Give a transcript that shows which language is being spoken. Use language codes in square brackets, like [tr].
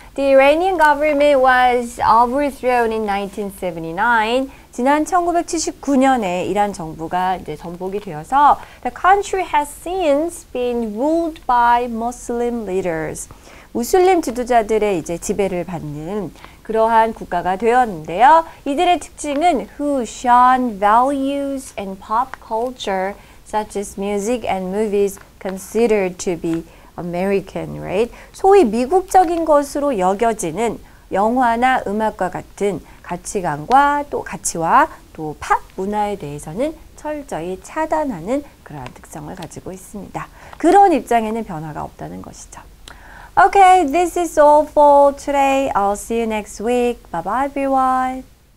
[en] The Iranian government was overthrown in 1979. [ko] 지난 1979년에 이란 정부가 이제 전복이 되어서 [en] The country has since been ruled by Muslim leaders. [ko] 무슬림 지도자들의 이제 지배를 받는 그러한 국가가 되었는데요. 이들의 특징은 [en] who shone values and pop culture such as music and movies considered to be American, right? [ko] 소위 미국적인 것으로 여겨지는 영화나 음악과 같은 가치관과 또 팝 문화에 대해서는 철저히 차단하는 그러한 특성을 가지고 있습니다. 그런 입장에는 변화가 없다는 것이죠. [en] Okay, this is all for today. I'll see you next week. Bye bye, everyone.